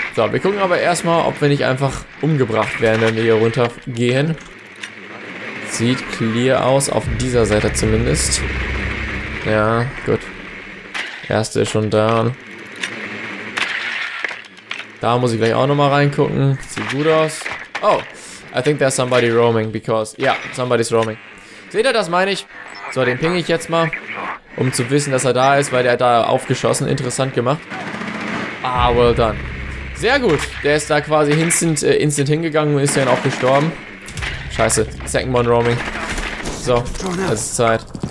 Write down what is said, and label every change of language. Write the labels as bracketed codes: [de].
[de] So, wir gucken aber erstmal, ob wir nicht einfach umgebracht werden, wenn wir hier runtergehen. Sieht clear aus, auf dieser Seite zumindest. Ja, gut. Erste ist schon down. Da muss ich gleich auch nochmal reingucken. Sieht gut aus. [en] Oh, I think there's somebody roaming because... Yeah, somebody's roaming. [de] Seht ihr, das meine ich. So, den ping ich jetzt mal. Um zu wissen, dass er da ist, weil der da aufgeschossen. Interessant gemacht. [en] Ah, well done. [de] Sehr gut. Der ist da quasi instant hingegangen und ist dann auch gestorben. Scheiße. [en] Second one roaming. [de] So, jetzt ist Zeit.